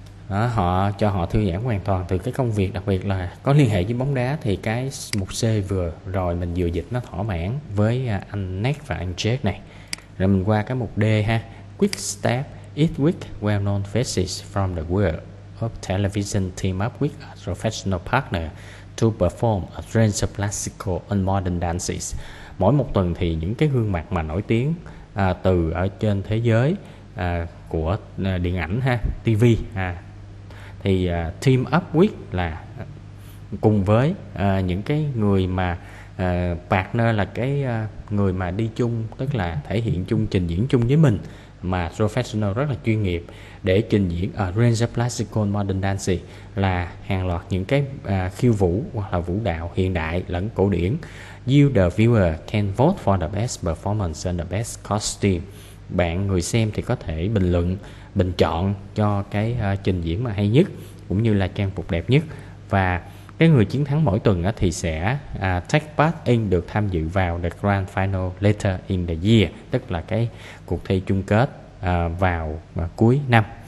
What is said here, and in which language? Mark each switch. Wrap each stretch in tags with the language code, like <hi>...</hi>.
<vi>Đó, họ cho họ thư giãn hoàn toàn từ cái công việc, đặc biệt là có liên hệ với bóng đá, thì cái mục C vừa rồi mình vừa dịch nó thỏa mãn với anh Ned và anh Jack này. Rồi mình qua cái mục D ha.</vi> <en>Quick step, it with well-known faces from the world of television team up with a professional partner to perform a range of classical and modern dances.</en> <vi>Mỗi một tuần thì những cái gương mặt mà nổi tiếng từ ở trên thế giới của điện ảnh ha, TV ha. Thì</vi> <en>team up with</en> <vi>là cùng với những cái người mà partner là cái người mà đi chung, tức là thể hiện chung, trình diễn chung với mình, mà professional rất là chuyên nghiệp, để trình diễn</vi> <en>a range of classical modern dances,</en> <vi>là hàng loạt những cái khiêu vũ hoặc là vũ đạo hiện đại lẫn cổ điển.</vi> <en>You the viewer can vote for the best performance and the best costume.</en> <vi>Bạn người xem thì có thể bình luận, bình chọn cho cái trình diễn mà hay nhất cũng như là trang phục đẹp nhất. Và cái người chiến thắng mỗi tuần thì sẽ</vi> <en>take part in,</en> <vi>được tham dự vào</vi> <en>the grand final later in the year,</en> <vi>tức là cái cuộc thi chung kết vào cuối năm.</vi>